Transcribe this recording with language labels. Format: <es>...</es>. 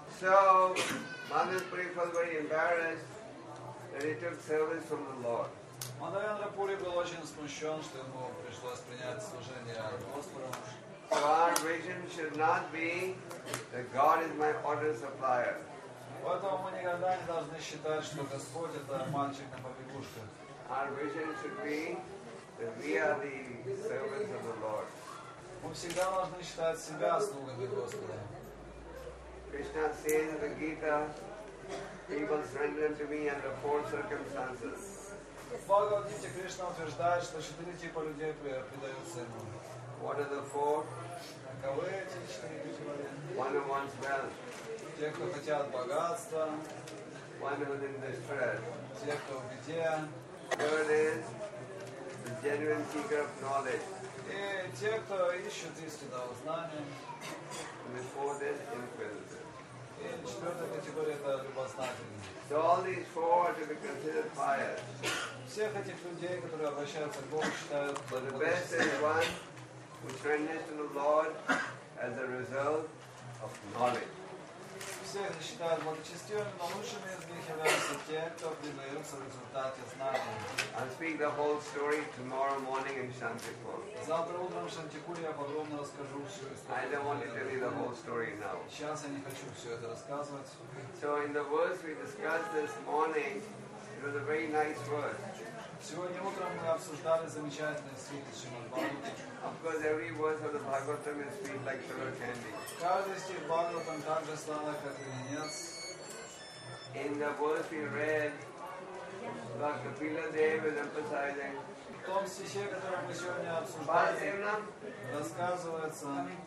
<en>So, Mandaluri Puri was very embarrassed that he took service from the Lord.</en> <ru>Мандаленда Пури был очень смущен, что ему пришлось принять служение от Господа.</ru> <en>So our vision should not be that God is my order supplier.</en> <ru>Поэтому мы никогда не должны считать, что Господь это мальчик на побегушке.</ru> <en>Our vision should be that we are the servants of the Lord.</en> <ru>Мы всегда должны считать себя слугами Господа.</ru> <en>Krishna says in the Gita, people surrender to me under four circumstances.</en> <ru>Bhagavad Gita Krishna утверждает, что четыре типа людей предаются ему.</ru> <en>What are the four?</en> <ru>Каковы эти четыре типа людей?</ru> <en>One who wants wealth.</en> <ru>Те, кто хотят богатства.</ru> <en>One who is in distress.</en> <ru>Те, кто в беде.</ru> <en>Third is the genuine seeker of knowledge.</en> <ru>И те, кто ищет истинного знания.</ru> <en>And the fourth is inquisitive.</en> <ru>И четвертая категория — это любознательный.</ru> <en>So all these four are to be considered pious.</en> <ru>Всех этих людей, которые обращаются к Богу, считают.</ru> <en>But the best is one who surrenders to the Lord as a result of knowledge.</en> <ru>Всех считают благочестивыми, но лучшими из них являются те, кто предаются в результате знания.</ru> <en>I'll speak the whole story tomorrow morning in Shantipur.</en> <ru>Завтра утром в Шантипуре я подробно расскажу всю историю.</ru> <en>I don't want to tell you the whole story now.</en> <ru>Сейчас я не хочу все это рассказывать.</ru> <en>So in the verse we discussed this morning, it was a very nice verse.</en> <ru>Сегодня утром мы обсуждали замечательные стихи Шримад-Бхагаватам.</ru> <en>Of course, every verse of the Bhagavatam is sweet like sugar candy.</en> <ru>Каждый стих Бхагаватам так же сладок, как и венец.</ru> <en>In the verse we read, Lord Kapila Dev is emphasizing.</en> <ru>В том стихе, который мы сегодня обсуждали, рассказывается.</ru>